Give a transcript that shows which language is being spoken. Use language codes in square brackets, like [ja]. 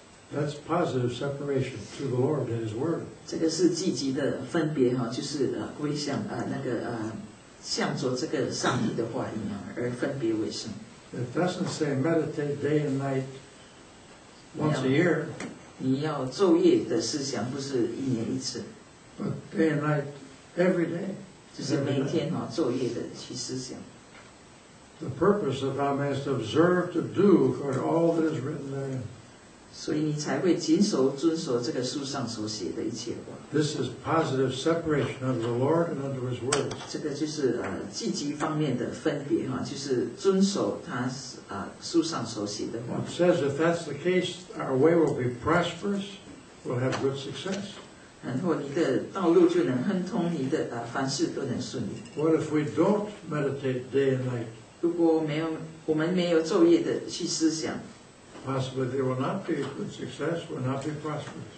[en] That's positive separation to the Lord and His Word. [zh] 这个是积极的分别哈，就是归向那个向着这个上帝的话语啊而分别为圣。 [en] It doesn't say meditate day and night once a year. [zh] 你要昼夜的思想，不是一年一次。 [en] But day and night, every day. [zh] 就是每天哈昼夜的去思想。 [en] The purpose of thou mayest observe to do according to all that is written therein. [zh] 所以你才会谨守遵守这个书上所写的一切话。 [en] This is positive separation under the Lord and under His words. [zh] 这个就是积极方面的分别哈，就是遵守他书上所写的话。 [en] It says if that's the case, our way will be prosperous, we'll have good success. [zh] 然后你的道路就能亨通，你的凡事都能顺利。 [en] What if we don't meditate day and night? [zh] 如果没有我们没有昼夜的去思想。 [en] Possibly there will not be good success, will not be prosperous.